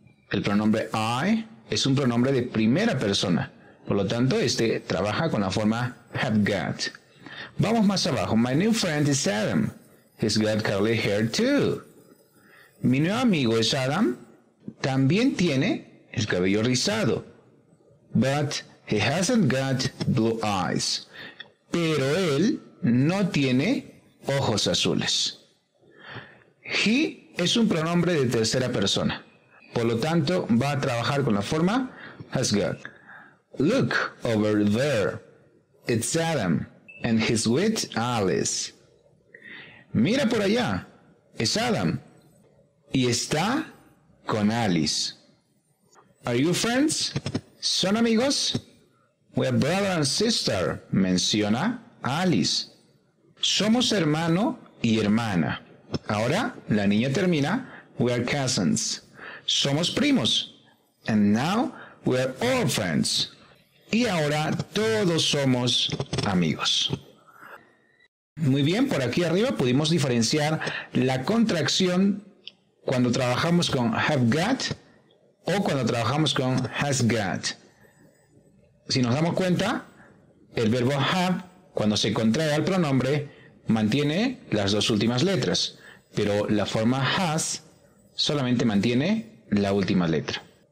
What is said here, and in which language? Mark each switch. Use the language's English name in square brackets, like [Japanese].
[Spanish] El pronombre I es un pronombre de primera persona. Por lo tanto, este trabaja con la forma have got. Vamos más abajo. [English] My new friend is Adam. He's got curly hair too. [Spanish] Mi nuevo amigo es Adam. También tiene el cabello rizado. [English] But he hasn't got blue eyes. [Spanish] Pero él no tiene ojos azules. He es un pronombre de tercera persona. Por lo tanto, va a trabajar con la forma has got. [English] Look over there. It's Adam and he's with Alice. [Spanish] Mira por allá. Es Adam. Y está con Alice. [English] Are you friends? [Spanish] ¿Son amigos? [English] We're brother and sister, menciona Alice. [Spanish] Somos hermano y hermana. Ahora la niña termina. [English] We are cousins. [Spanish] Somos primos. [English] And now we are all friends. [Spanish] Y ahora todos somos amigos. Muy bien, por aquí arriba pudimos diferenciar la contracción cuando trabajamos con have got o cuando trabajamos con has got. Si nos damos cuenta, el verbo have, cuando se contrae al pronombre, mantiene las dos últimas letras, pero la forma has solamente mantiene la última letra.